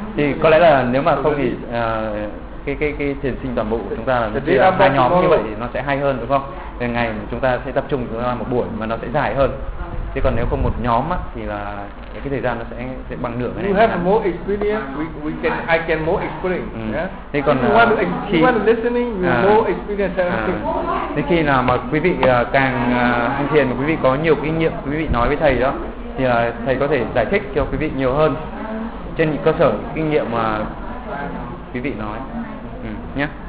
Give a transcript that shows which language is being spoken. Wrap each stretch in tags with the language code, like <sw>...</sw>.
<vi>Thì có lẽ là nếu mà không thì cái thiền sinh toàn bộ của chúng ta là hai nhóm như vậy thì nó sẽ hay hơn đúng không? Thì ngày chúng ta sẽ tập trung chúng ta một buổi mà nó sẽ dài hơn. Thế còn nếu không một nhóm á thì là cái thời gian nó sẽ bằng nửa cái này.</vi> <en>You have more experience, we can I can more experience. Yeah.</en> <vi>Thế còn</vi> <en>listening, more experience.</en> <vi>Thế khi nào mà quý vị càng hành thiền mà quý vị có nhiều kinh nghiệm, quý vị nói với thầy đó thì là thầy có thể giải thích cho quý vị nhiều hơn trên cơ sở kinh nghiệm mà quý vị nói nhé.</vi>